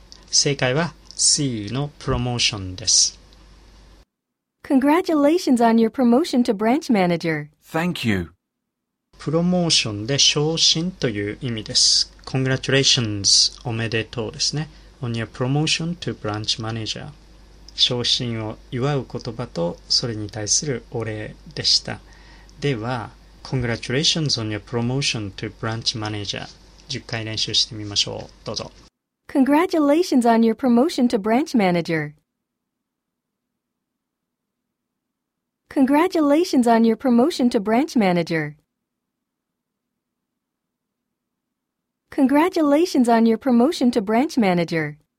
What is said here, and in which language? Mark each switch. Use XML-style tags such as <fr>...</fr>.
<ja>正解は C の Promotion です。</ja> <en>Congratulations on your promotion to branch manager. Thank you.</en> <ja>プロモーションで昇進という意味です。</ja> <en>Congratulations!</en> <ja>おめでとうですね。</ja> <en>On your promotion to branch manager.</en> <ja>昇進を祝う言葉とそれに対するお礼でした。</ja> <en>では、Congratulations on your promotion to branch manager.</en> <ja>10回練習してみましょう。どうぞ。</ja> <en>Congratulations on your promotion to branch manager. Congratulations on your promotion to branch manager. Congratulations on your promotion to branch manager.</en>